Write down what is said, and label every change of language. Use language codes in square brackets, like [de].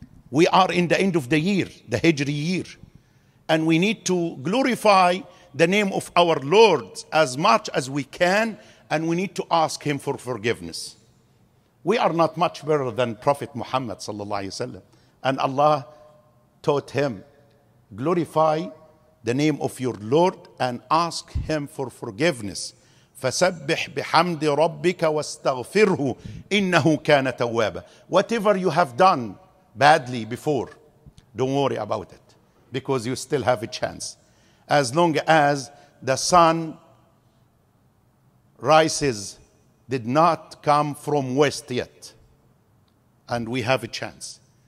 [en] We are in the end of the year, the Hijri year. And we need to glorify the name of our Lord as much as we can, and we need to ask him for forgiveness. We are not much better than Prophet Muhammad sallallahu alaihi wasallam, and Allah taught him glorify the name of your Lord and ask him for forgiveness. [ar] فسبح بحمد ربك واستغفره إنه كان توابا. [en] Whatever you have done badly before, don't worry about it, because you still have a chance. As long as the sun rises, did not come from west yet, and we have a chance.